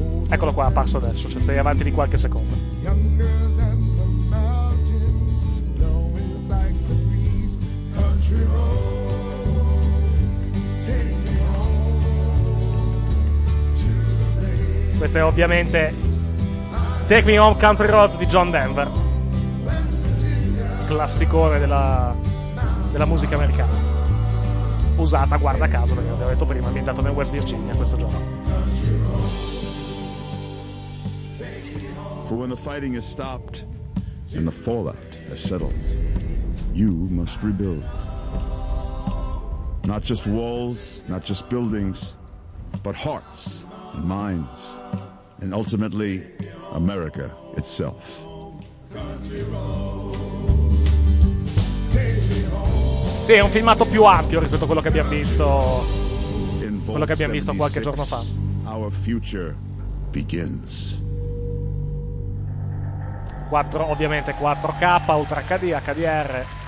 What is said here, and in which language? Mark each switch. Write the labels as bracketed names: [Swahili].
[Italian] Eccolo qua, passo adesso, cioè sei avanti di qualche secondo. Questo è ovviamente Take Me Home Country Roads di John Denver. Classicone della musica americana. Usata, guarda caso, perché l'avevo detto prima, ambientato nel West Virginia questo gioco. [English] For when the fighting is stopped and the fallout has settled, you must rebuild. Not just walls, not just buildings, but hearts and minds, and ultimately America itself. [Italian] Sì, è un filmato più ampio rispetto a quello che abbiamo visto. Quello che abbiamo visto qualche giorno fa. [English] Our future begins. [Italian] 4, ovviamente 4K, Ultra HD, HDR.